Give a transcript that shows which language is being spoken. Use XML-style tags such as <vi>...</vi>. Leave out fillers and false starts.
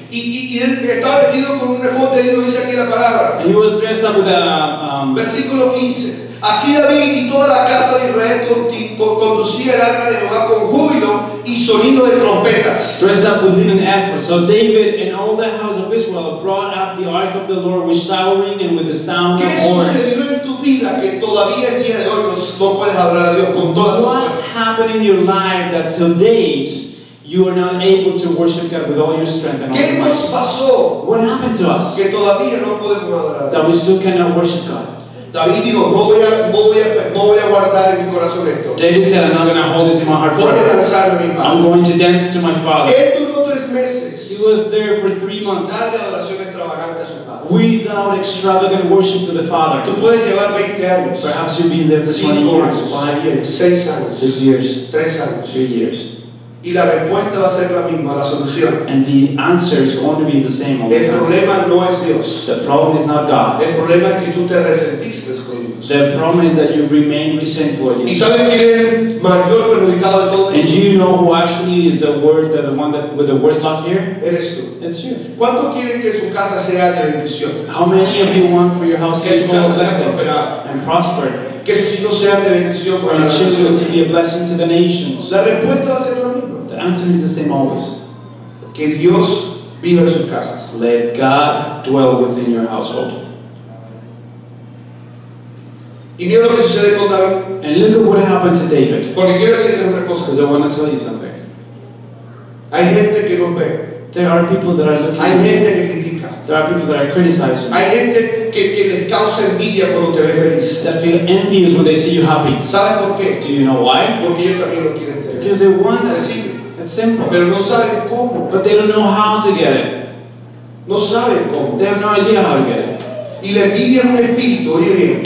<es>Y él estaba vestido con un efod de lino, dice aquí la palabra.</es> <en>And he was dressed up with a</en> <es>versículo 15. Así David y toda la casa de Israel conducía el arca de Jehová con júbilo y sonido de trompetas.</es> <en>Dressed up with linen ephod. So David and all the house of Israel brought up the ark of the Lord with shouting and with the sound of horn.</en> <es>¿Qué sucedió en tu vida que todavía el día de hoy no puedes hablar a Dios con todas las cosas?</es> <en>What happened in your life that till date you are not able to worship God with all your strength and all your might? What happened to us?</en> <es>Que todavía no podemos adorar a Dios.</es> <en>That we still cannot worship God.</en> <es>David dijo, no voy a guardar en mi corazón esto.</es> <en>David said, I'm not going to hold this in my heart forever. I'm going to dance to my Father.</en> <es>Él duró 3 meses.</es> <en>He was there for 3 months.</en> <es>Sin darle adoración extravagante a su Padre.</es> <en>Without extravagant worship to the Father.</en> <es>Tú puedes llevar 20 años.</es> <en>Perhaps you've been there for 20 years. 5 years.</en> <es>6 años.</es> <en>6 years.</en> <es>3 años.</es> <en>3 years.</en> <es>Y la respuesta va a ser la misma, la solución.</es> <en>And the answer is going to be the same all the time.</en> <es>El problema no es Dios.</es> <en>The problem is not God.</en> <es>El problema es que tú te resentiste con Dios.</es> <en>The problem is that you remain resentful.</en> <es>¿Y sabes quién es el mayor perjudicado de todo esto?</es> <en>And do you know who actually is the word that the one that with the worst luck here?</en> <es>Eres tú.</es> <en>It's you.</en> <es>¿Cuántos quieren que su casa sea de bendición?</es> <en>How many of you want for your house to be blessed and prosper?</en> <es>Que sus hijos sean de bendición para</es> <en>your children to be a blessing to the nations.</en> <es>La respuesta va a ser la misma.</es> <en>The answer is the same always.</en> <es>Que Dios viva en sus casas.</es> <en>Let God dwell within your household.</en> <es>Y mira lo que sucede con David.</es> <en>And look at what happened to David.</en> <es>Porque quiero decirte otra cosa.</es> <en>Because I want to tell you something.</en> <es>Hay gente que no ve.</es> <en>There are people that are looking.</en> <es>Hay gente que critica.</es> <en>There are people that are criticizing.</en> <es>Hay gente que les causa envidia cuando te ve feliz.</es> <en>That feel envious when they see you happy.</en> <es>¿Sabes por qué?</es> <en>Do you know why?</en> <es>Porque ellos también lo quieren tener.</es> <en>Because they want it. It's simple.</en> <es>Pero no saben cómo.</es> <en>But they don't know how to get it.</en> <es>No saben cómo.</es> <en>They have no idea how to get it.</en> <es>Y la envidia es un espíritu, oye bien.</es>